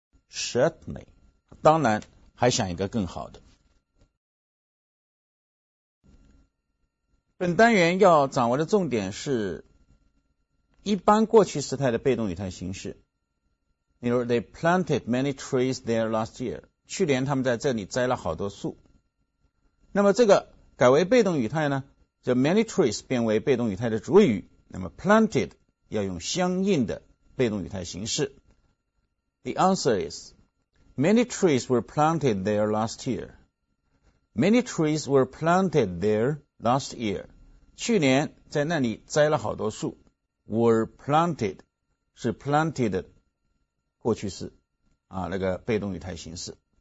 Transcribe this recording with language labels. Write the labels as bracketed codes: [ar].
[en] Certainly. [zh] 当然还想一个更好的。本单元要掌握的重点是一般过去时态的被动语态形式。 [en] You know, they planted many trees there last year. [zh] 去年他们在这里栽了好多树。那么这个改为被动语态呢，这 [en] many trees [zh] 变为被动语态的主语，那么 planted 要用相应的被动语态形式。 [en] The answer is, many trees were planted there last year. Many trees were planted there last year. [zh] 去年在那里栽了好多树。 [en] Were planted 是 planted [zh] 过去式啊，那个被动语态形式。